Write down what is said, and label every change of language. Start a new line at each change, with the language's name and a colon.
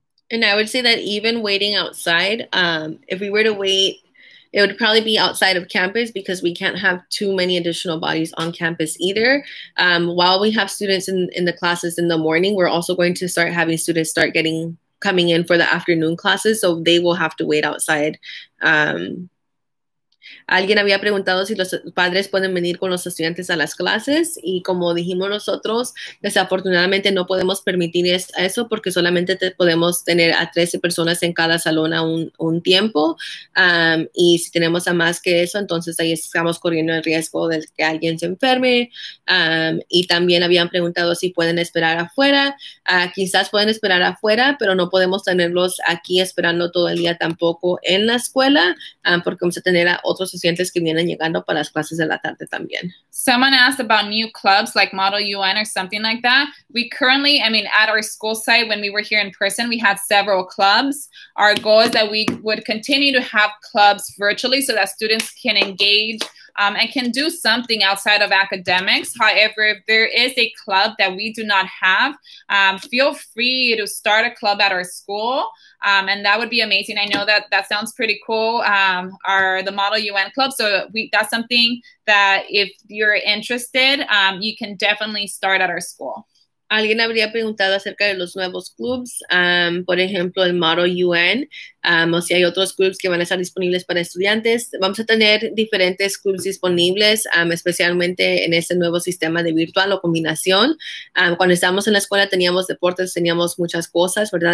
English: And I would say that even waiting outside, if we were to wait, it would probably be outside of campus because we can't have too many additional bodies on campus either. While we have students in the classes in the morning, we're also going to start having students start getting coming in for the afternoon classes, so they will have to wait outside.
Spanish: Alguien había preguntado si los padres pueden venir con los estudiantes a las clases y como dijimos nosotros, desafortunadamente no podemos permitir eso porque solamente podemos tener a 13 personas en cada salón a un tiempo y si tenemos a más que eso, entonces ahí estamos corriendo el riesgo de que alguien se enferme. Y también habían preguntado si pueden esperar afuera. Quizás pueden esperar afuera, pero no podemos tenerlos aquí esperando todo el día tampoco en la escuela porque vamos a tener a otros estudiantes que vienen llegando para las clases de la tarde también.
English: Someone asked about new clubs like Model UN or something like that. We currently, I mean, at our school site, when we were here in person, we had several clubs. Our goal is that we would continue to have clubs virtually so that students can engage and can do something outside of academics. However, if there is a club that we do not have, feel free to start a club at our school. And that would be amazing. I know that that sounds pretty cool. The Model UN Club. So that's something that if you're interested, you can definitely start at our school.
Spanish: Alguien habría preguntado acerca de los nuevos clubs, por ejemplo, el Model UN, o si hay otros clubs que van a estar disponibles para estudiantes. Vamos a tener diferentes clubs disponibles, especialmente en este nuevo sistema de virtual o combinación. Cuando estábamos en la escuela teníamos deportes, teníamos muchas cosas, ¿verdad?